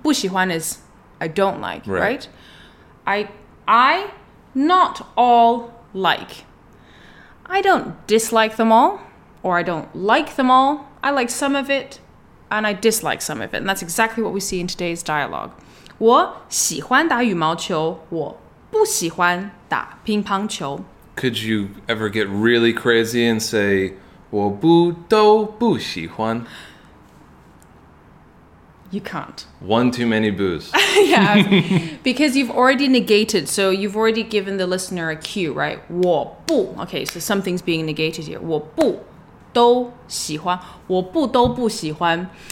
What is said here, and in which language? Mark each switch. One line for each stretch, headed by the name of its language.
Chinese: 不喜欢
English: is I don't like, right? I not all like. I don't dislike them all, or I don't like them all. I like some of it, and I dislike some of it. And that's exactly what we see in today's dialogue.
Chinese: 我喜欢打羽毛球,我不喜欢打乒乓球。
English: Could you ever get really crazy and say,
Chinese: 我不都不喜欢?
English: You can't. One too many boos. Yeah, because you've already negated, so you've already given the listener a cue, right?
Chinese: 我不,
English: okay, so something's being negated here.
Chinese: 我不都喜欢, 我不都不喜欢.